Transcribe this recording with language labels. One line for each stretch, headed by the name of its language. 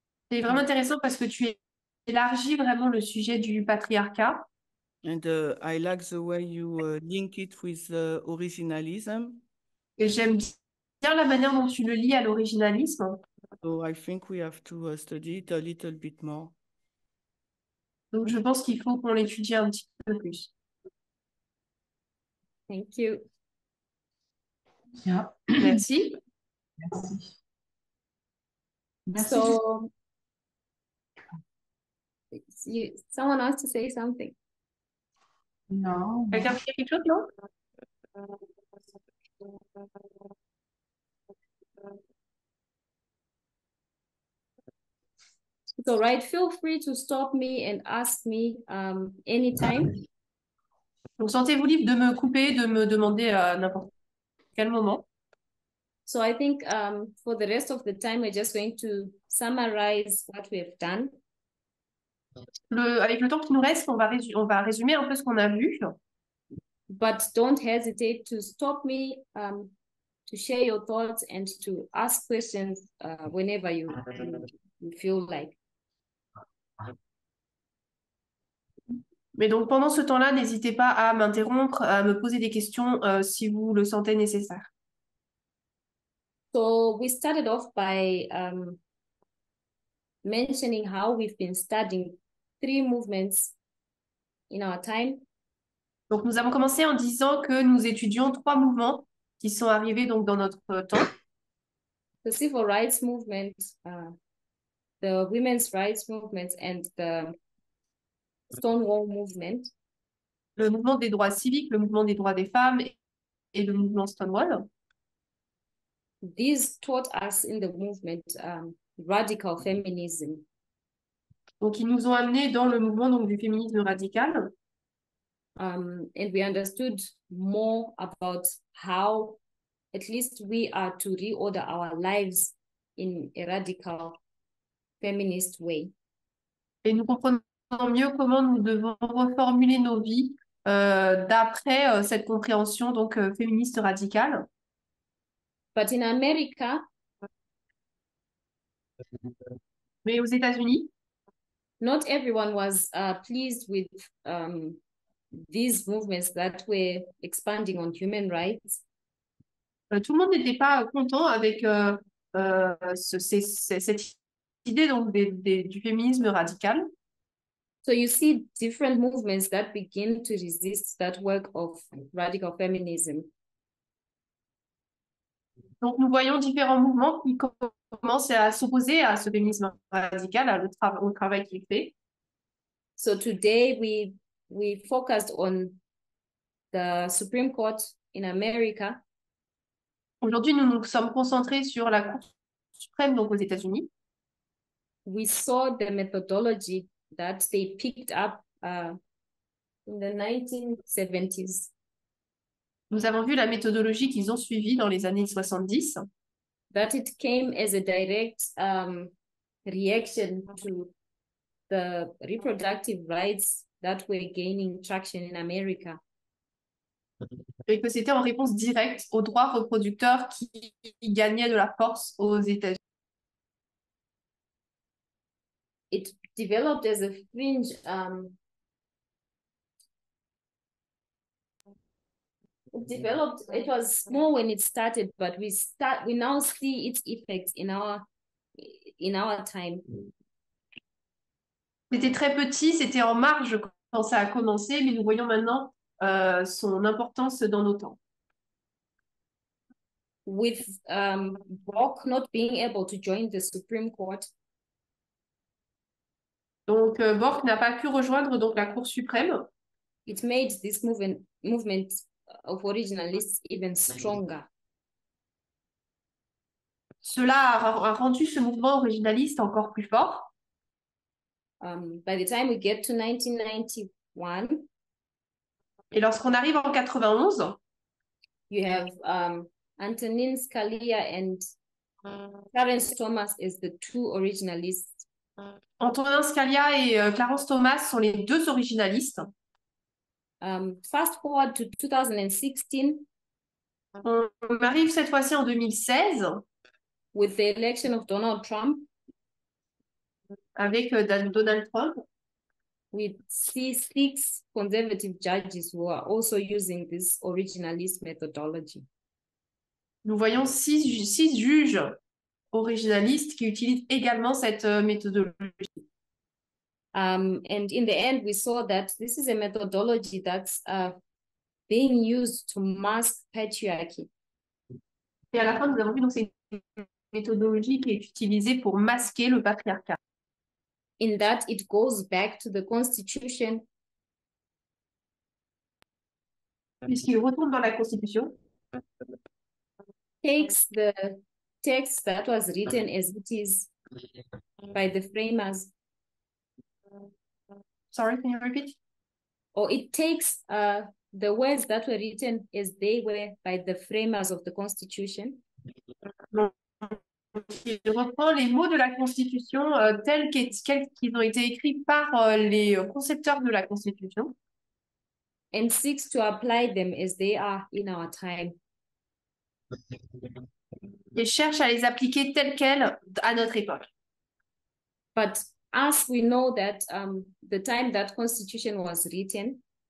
French: C'est vraiment intéressant parce que tu élargis vraiment le sujet du patriarcat.
English: And I like the way you link it with originalism.
French: Et j'aime bien la manière dont tu le lis à l'originalisme.
English: So I think we have to study it a little bit more.
French: Donc je pense qu'il faut qu'on l'étudie un petit peu plus.
English: Thank you. Yeah.
French: Merci. Merci. Merci, Justine.
English: So, you, someone has to say something.
French: Non, Quelqu'un quelque chose, non?
English: All right, feel free to stop me and ask me anytime.
French: Donc sentez-vous libre de me couper, de me demander à n'importe quel moment.
English: So I think for the rest of the time, we're just going to summarize what we have done.
French: Avec le temps qui nous reste, on va résumer un peu ce qu'on a vu.
English: But don't hesitate to stop me to share your thoughts and to ask questions whenever you feel like.
French: Mais donc pendant ce temps-là, n'hésitez pas à m'interrompre, à me poser des questions si vous le sentez nécessaire.
English: So we started off by mentioning how we've been studying three movements in our time.
French: Donc nous avons commencé en disant que nous étudions trois mouvements qui sont arrivés donc dans notre temps.
English: The civil rights movement, the women's rights movement and the Stonewall movement.
French: Le mouvement des droits civiques, le mouvement des droits des femmes et le mouvement Stonewall.
English: These taught us in the movement radical feminism.
French: Donc ils nous ont amenés dans le mouvement donc du féminisme radical.
English: And we understood more about how at least we are to reorder our lives in a radical feminist way.
French: Et nous comprenons mieux comment nous devons reformuler nos vies d'après cette compréhension donc féministe radicale.
English: But in America,
French: mais aux États-Unis,
English: not everyone was pleased with these movements that were expanding on human rights.
French: Tout le monde n'était pas content avec cette idée donc du féminisme radical.
English: So you see different movements that begin to resist that work of radical feminism.
French: Donc, nous voyons différents mouvements qui commencent à s'opposer à ce féminisme radical, à au travail qu'il fait.
English: So today, we focused on the Supreme Court in America.
French: Aujourd'hui, nous nous sommes concentrés sur la Cour suprême, donc aux États-Unis.
English: We saw the methodology that they picked up in the 1970s.
French: Nous avons vu la méthodologie qu'ils ont suivie dans les années 70.
English: That it came as a direct reaction to the reproductive rights that were gaining traction in America.
French: Et que c'était en réponse directe aux droits reproducteurs qui gagnaient de la force aux États-Unis.
English: It developed as a fringe developed. It was small when it started, but we now see its effects in our time.
French: C'était très petit, c'était en marge quand ça a commencé, mais nous voyons maintenant son importance dans nos temps.
English: With Brock not being able to join the Supreme Court,
French: Donc, Bork n'a pas pu rejoindre donc la Cour suprême.
English: It made this movement of originalists even stronger.
French: Cela a rendu ce mouvement originaliste encore plus fort.
English: By the time we get to 1991,
French: Et lorsqu'on arrive en 91,
English: you have Antonin Scalia and Clarence Thomas as the two originalists.
French: Antonin Scalia et Clarence Thomas sont les deux originalistes.
English: Fast forward to 2016,
French: On arrive cette fois-ci en 2016
English: with the election of Donald Trump.
French: avec Donald Trump.
English: We see six conservative judges who are also using this originalist methodology.
French: Nous voyons six juges originalistes qui utilisent également cette méthodologie.
English: And in the end, we saw that this is a methodology that's being used to mask patriarchy.
French: Et à la fin, nous avons vu donc c'est une méthodologie qui est utilisée pour masquer le patriarcat.
English: In that it goes back to the constitution.
French: Puisqu'il retourne dans la constitution.
English: Takes the text that was written as it is by the framers. Sorry, can you repeat? Or it takes the words that were written as they were by the framers of the constitution.
French: Il reprend les mots de la Constitution tels qu'ils ont été écrits par les concepteurs de la Constitution.
English: And seeks to apply them as they are in our time.
French: Et cherche à les appliquer tels quels à notre époque.
English: But as we know that the time that Constitution was written,